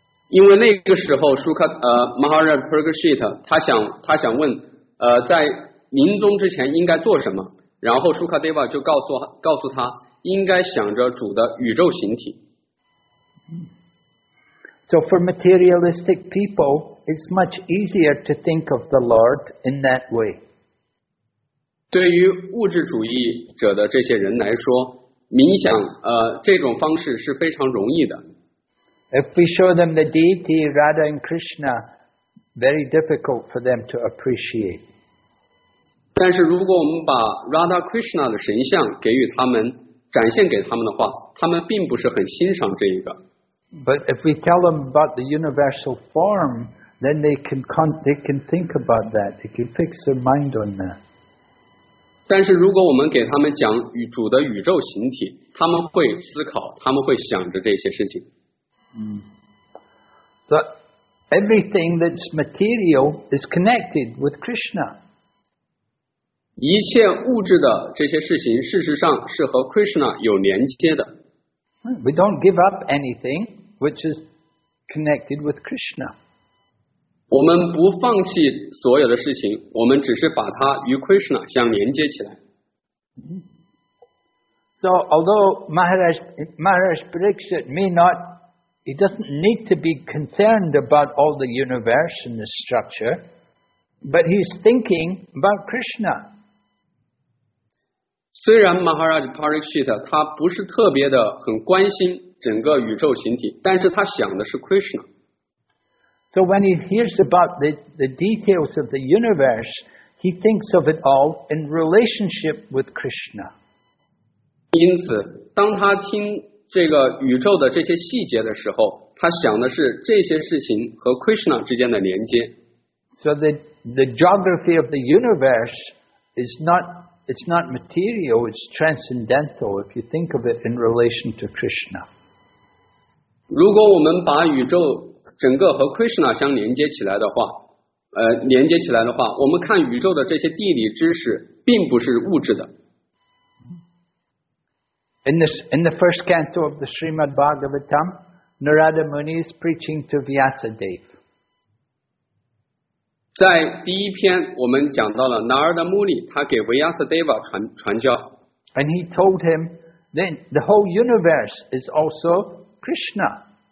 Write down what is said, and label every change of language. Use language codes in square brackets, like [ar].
[zh] 因为那个时候 Maharaj Parikshit 他想问在临终之前应该做什么，然后 Sukadeva 就告诉他应该想着主的宇宙形体。 [en] So for materialistic people, it's much easier to think of the Lord in that way. [zh] 对于物质主义者的这些人来说，冥想这种方式是非常容易的。 [en] If we show them the deity Radha and Krishna, very difficult for them to appreciate. [zh] 但是如果我们把 Radha Krishna 的神像给予他们展现给他们的话，他们并不是很欣赏这一个。 [en] But if we tell them about the universal form, then they can think about that. They can fix their mind on that. [zh] 但是如果我们给他们讲与主的宇宙形体，他们会思考，他们会想着这些事情。 [en] But everything that's material is connected with Krishna. [zh] 一切物质的这些事情事实上是和 Krishna 有连接的。 [en] We don't give up anything which is connected with Krishna. [zh] 我们不放弃所有的事情，我们只是把它与 Krishna 相连接起来。 [en] So although Maharaj Parikshit he doesn't need to be concerned about all the universe and the structure, but he's thinking about Krishna. [zh] 虽然 Maharaj Parikshit 他不是特别的很关心整个宇宙形体，但是他想的是 Krishna。 [en] So when he hears about the details of the universe, he thinks of it all in relationship with Krishna. [zh] 因此，当他听这个宇宙的这些细节的时候，他想的是这些事情和 Krishna 之间的连接。 [en] So the geography of the universe is notIt's not material, it's transcendental if you think of it in relation to Krishna. [zh] 如果我们把宇宙整个和 Krishna 相连接起来的话，连接起来的话，我们看宇宙的这些地理知识并不是物质的。 [en] In the first canto of the Srimad Bhagavatam, Narada Muni is preaching to Vyasadeva. [zh] 在第一篇我们讲到了 Narada Muni 他给 Vyasadeva 传教 [en] and he told him then the whole universe is also Krishna.